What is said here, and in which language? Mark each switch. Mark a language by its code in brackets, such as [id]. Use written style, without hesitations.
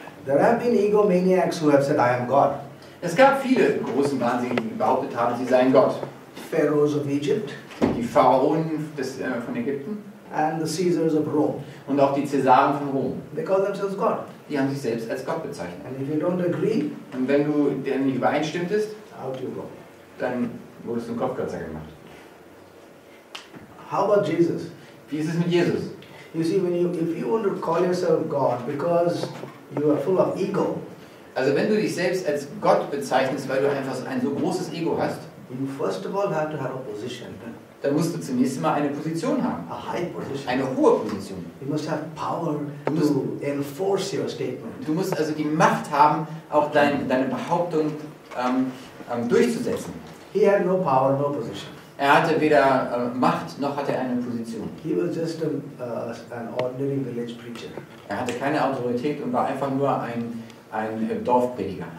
[en] There have been egomaniacs who have said, I am God. [de] Es gab viele großen Wahnsinnige, die behauptet haben, sie seien Gott. [en] Pharaohs of Egypt. [de] Die Pharaonen von Ägypten. [en] And the Caesars of Rome. [de] Und auch die Cäsaren von Rom. [en] They call themselves God. [de] Die haben sich selbst als Gott bezeichnet. [en] And if you don't agree, [de] und wenn du denen nicht übereinstimmtest, [en] out you go. [de] Dann wurdest du ein Kopfkürzer gemacht. [en] How about Jesus? [de] Wie ist es mit Jesus? [en] You see, if you want to call yourself God, because you are full of ego. [de] Also wenn du dich selbst als Gott bezeichnest, weil du einfach ein so großes Ego hast, [en] you first of all have to have a position. [de] Dann musst du zunächst mal eine Position haben. [en] A high position. [de] Eine hohe Position. [en] You must have power to enforce your statement. [de] Du musst also die Macht haben, auch deine Behauptung durchzusetzen. [en] He had no power, no position. [de] Er hatte weder Macht, noch hatte er eine Position. [en] He was just an ordinary village preacher. [de] Er hatte keine Autorität und war einfach nur ein Dorfprediger.